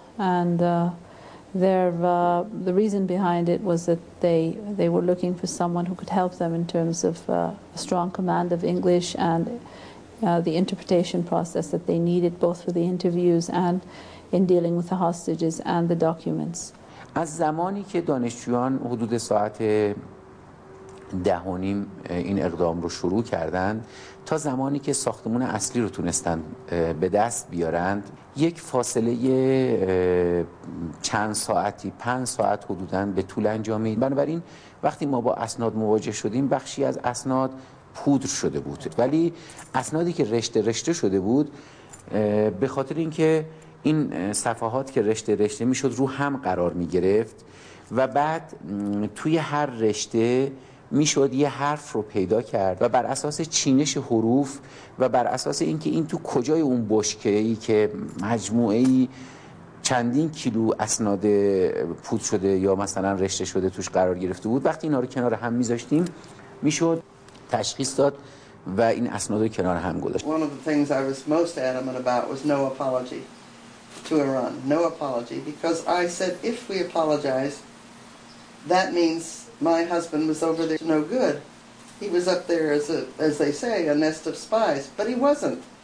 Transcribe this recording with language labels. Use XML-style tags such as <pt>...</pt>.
<en>And the reason behind it was that they were looking for someone who could help them in terms of a strong command of English and the interpretation process that they needed, both for the interviews and in dealing with the hostages and the documents.</en> <fa>از زمانی که دانشجویان حدود ساعت 10:30 این اقدام رو شروع کردند تا زمانی که ساختمان اصلی رو تونستن به دست بیارند، یک فاصله چند ساعتی، 5 ساعت حدوداً به طول انجامید. بنابراین وقتی ما با اسناد مواجه شدیم، بخشی از اسناد پودر شده بود، ولی اسنادی که رشته رشته شده بود، به خاطر اینکه این صفحات که رشته رشته میشد رو هم قرار می گرفت و بعد توی هر رشته میشد یه حرف رو پیدا کرد و بر اساس چینش حروف و بر اساس اینکه این تو کجای اون بشکه‌ای که مجموعه ای چندین کیلو اسناد پود شده یا مثلا رشته شده توش قرار گرفته بود، وقتی اینا رو کنار هم میذاشتیم میشد تشخیص داد و این اسناد رو کنار هم گذاشت.</fa> <en>One of the things I was most adamant about was no apology to Iran, no apology, because I said if we apologize, that means my husband was over there no good. he was up there as a, as they say, a nest of spies, but he wasn't.</en>